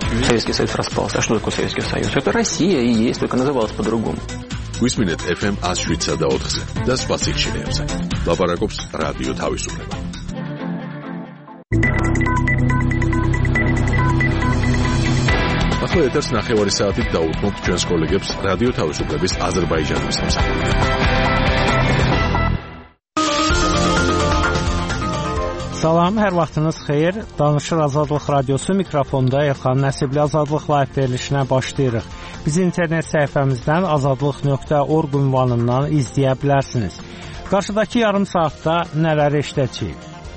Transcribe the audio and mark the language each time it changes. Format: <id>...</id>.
<ru>Советский Союз распался. А что такое Советский Союз? Это Россия и есть, только называлось по-другому. Гусминет FM 104-ზე და სპასიჩინებზე.</ru> <ka>ლაპარაკობს რადიო თავისუფლება. ახლა ეთერს ნახევარი საათით დაუთმობთ ჩვენს კოლეგებს რადიო თავისუფლების აზერბაიჯანის სამსახურიდან.</ka> <az>Salam, hər vaxtınız xeyir. Danışır Azadlıq Radiosu mikrofonda Elxan Nəsibli Azadlıq Live verilişinə başlayırıq. Biz internet səhifəmizdən azadlıq.org ünvanından izləyə bilərsiniz. Qarşıdakı yarım saatda nələri eşidəcəyik?</az>